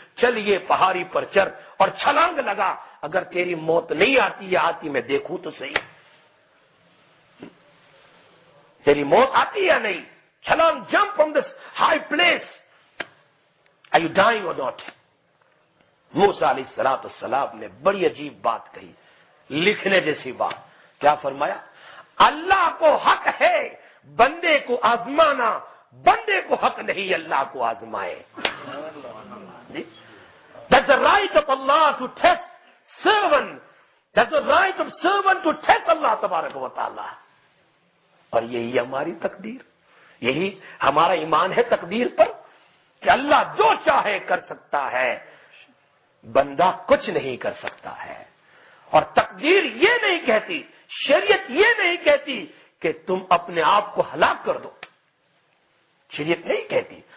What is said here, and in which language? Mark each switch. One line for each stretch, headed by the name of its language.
Hindi: चलिए पहाड़ी पर चर और छलांग लगा, अगर तेरी मौत नहीं आती या आती मैं देखूं तो सही, तेरी मौत आती या नहीं, छलांग,
English: Jump from this high place, are you dying और not.
Hindi: मूसा अलैहिस्सलाम ने बड़ी अजीब बात कही, लिखने जैसी बात, क्या फरमाया, अल्लाह को हक है बंदे को आजमाना, बंदे को हक नहीं अल्लाह को आजमाए।
English: That's the right of Allah to test servant. That's the right of servant to test Allah तबारक व ताला।
Hindi: और यही हमारी तकदीर, यही हमारा ईमान है तकदीर पर कि अल्लाह जो चाहे कर सकता है, बंदा कुछ नहीं कर सकता है। और तकदीर ये नहीं कहती, शरीयत ये नहीं कहती कि तुम अपने आप को हलाक कर दो, शरीयत नहीं कहती।